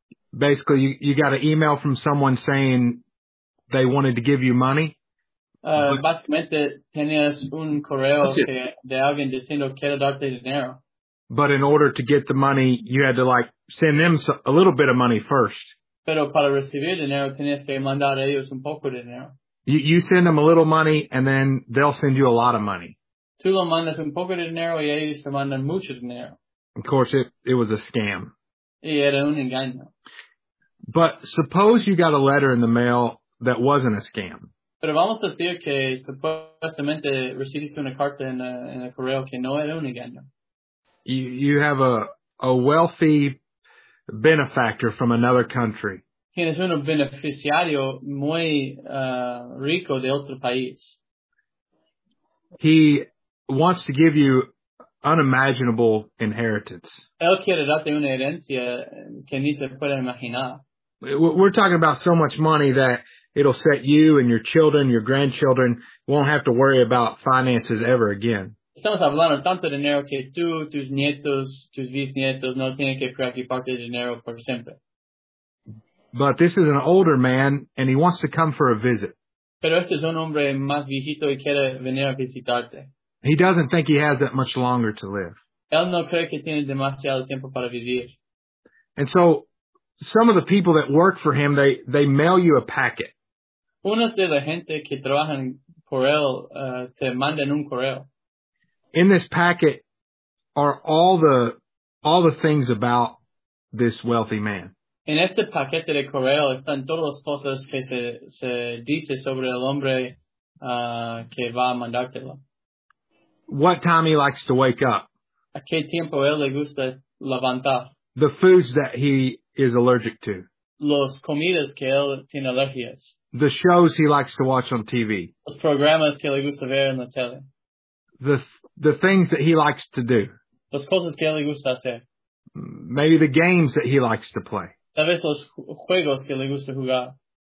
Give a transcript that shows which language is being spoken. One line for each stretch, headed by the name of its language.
English: Basically, you got an email from someone saying they wanted to give you money.
Spanish: Básicamente tenías un correo de alguien diciendo quiero darte dinero.
English: But in order to get the money, you had to send them a little bit of money first.
Spanish: Pero para recibir dinero, tenías que mandar a ellos un poco de dinero.
English: You send them a little money, and then they'll send you a lot of money.
Spanish: Tú lo mandas un poco de dinero, y ellos te mandan mucho dinero.
English: Of course, it was a scam.
Spanish: Y era un engaño.
English: But suppose you got a letter in the mail that wasn't a scam.
Spanish: Pero vamos a decir que supuestamente recibiste una carta en el correo que no era un engaño.
English: You have a wealthy benefactor from another country.
Spanish: Tienes un beneficiario muy rico de otro país.
English: He wants to give you unimaginable inheritance.
Spanish: Él quiere darte una herencia que ni te puedes imaginar.
English: We're talking about so much money that it'll set you and your children, your grandchildren, won't have to worry about finances ever again.
Spanish: Estamos hablando tanto de dinero que tú, tus nietos, tus bisnietos no tienen que preocuparte de dinero por siempre.
English: But this is an older man, and he wants to come for a visit.
Spanish: Pero este es un hombre más viejito y quiere venir a visitarte.
English: He doesn't think he has that much longer to live.
Spanish: Él no cree que tiene demasiado tiempo para vivir.
English: And so, some of the people that work for him, they mail you a packet.
Spanish: Unos de la gente que trabajan por él te mandan un correo.
English: In this packet are all the things about this wealthy man.
Spanish: En este paquete de correo están todas las cosas que se dice sobre el hombre que va a mandártelo.
English: What time he likes to wake up.
Spanish: A qué tiempo él le gusta levantar.
English: The foods that he is allergic to.
Spanish: Los comidas que él tiene alergias.
English: The shows he likes to watch on TV.
Spanish: Los programas que le gusta ver en la tele.
English: The things that he likes to do.
Spanish: Las cosas que le gusta hacer.
English: Maybe the games that he likes to play.
Spanish: Tal vez los juegos que le gusta jugar.